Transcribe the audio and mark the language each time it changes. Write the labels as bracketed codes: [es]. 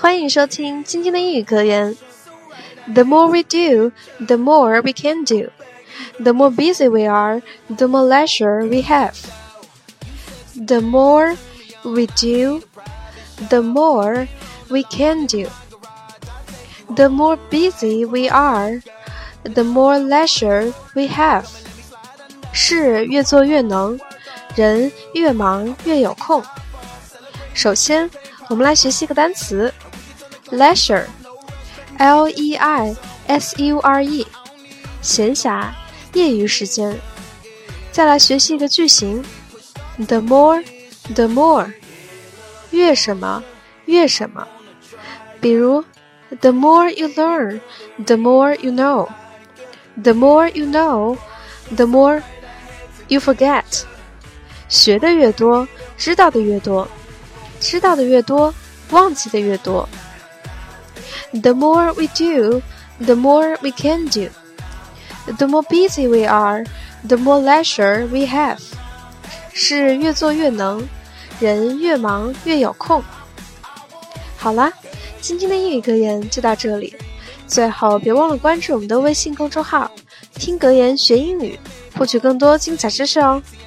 [zh] 欢迎收听今天的英语格言。 [en] The more we do, the more we can do. The more busy we are, the more leisure we have. The more we do, the more we can do. The more busy we are, the more leisure we have. [zh] 事越做越能，人越忙越有空。首先，我们来学习一个单词。 [en] Leisure, L-E-I-S-U-R-E, [zh] 闲暇，业余时间。再来学习一个句型 [en] the more, [zh] 越什么，越什么。 [en] 比如 the more you learn, the more you know. The more you know, the more you forget. [zh] 学的越多，知道的越多。知道的越多，忘记的越多。 [en] The more we do, the more we can do. The more busy we are, the more leisure we have. [zh] 事越做越能，人越忙越有空。好啦，今天的英语格言就到这里。最后，别忘了关注我们的微信公众号，听格言学英语，获取更多精彩知识哦。